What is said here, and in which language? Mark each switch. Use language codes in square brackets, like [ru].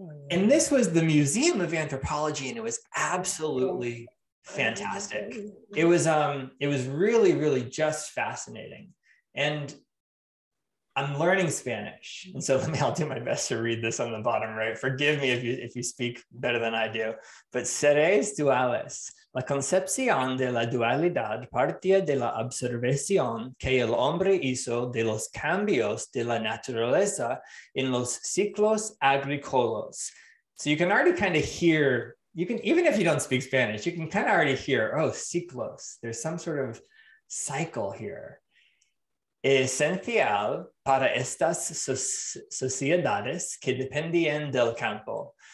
[en] And this was the Museum of Anthropology, and it was absolutely fantastic. It was really, really just fascinating. And I'm learning Spanish. And so I'll do my best to read this on the bottom right. Forgive me if you speak better than I do. [es] But seres duales, la concepción de la dualidad partía de la observación que el hombre hizo de los cambios de la naturaleza en los ciclos agrícolas. [en] So you can already kind of hear, you can, even if you don't speak Spanish, you can kind of already hear, oh, ciclos, there's some sort of cycle here. [es] Esencial para estas sociedades que dependían del campo.